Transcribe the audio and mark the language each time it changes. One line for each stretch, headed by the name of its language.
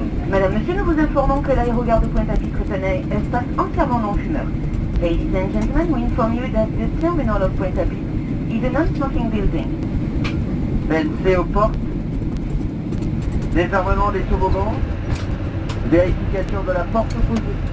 French: Madame, Monsieur, nous vous informons que l'aérogare de Pointe-à-Pitre est un espace entièrement non-fumeur.
English: Ladies and gentlemen, we inform you that the terminal of Pointe-à-Pitre is a non-smoking building.
French: BNC aux portes. Désarmement des toboggans, vérification de la porte opposée.